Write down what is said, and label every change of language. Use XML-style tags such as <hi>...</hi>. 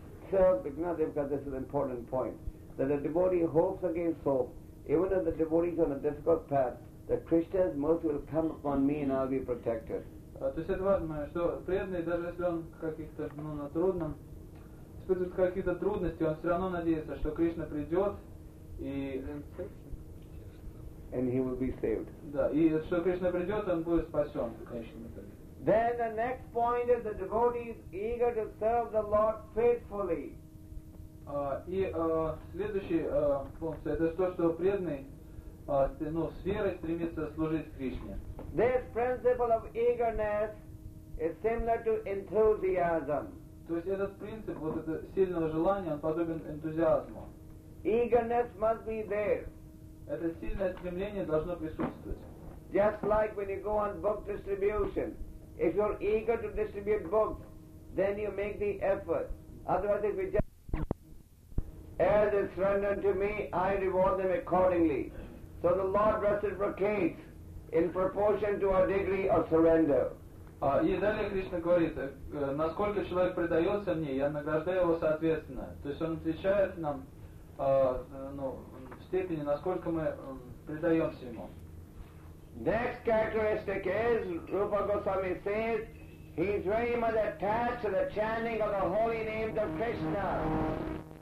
<en>So, Bhagavan Dev, because this is an important point, that a devotee hopes against hope, even if the devotee is on a difficult path, that Krishna's mercy will come upon me and I'll be protected.</en> <ru>То есть это важно, что преданный, даже если он каких-то, ну, на трудном, испытывает какие-то трудности, он все равно надеется, что Кришна придет и...</ru> <en>And he will be saved.</en> <ru>Да, и что Кришна придет, он будет спасен.</ru> <en>Then the next point is the devotee is eager to serve the Lord faithfully.</en> <ru>И следующий пункт, это то, что преданный с верой стремится служить Кришне.</ru> <en>This principle of eagerness is similar to enthusiasm.</en> <ru>То есть этот принцип, вот это сильного желания, он подобен энтузиазму.</ru> <en>Eagerness must be there.</en> <ru>Это сильное стремление должно присутствовать.</ru> <en>Just like when you go on book distribution. If you're eager to distribute books, then you make the effort. Otherwise, if you just... As it's rendered to me, I reward them accordingly. So the Lord reciprocates in proportion to our degree of surrender.</en> <ru>И далее Кришна говорит, насколько человек предается мне, я награждаю его соответственно. То есть он отвечает нам в степени, насколько мы предаемся ему.</ru> <en>Next characteristic is, Rupa Goswami says, he is very much attached to the chanting of the holy names of Krishna.</en>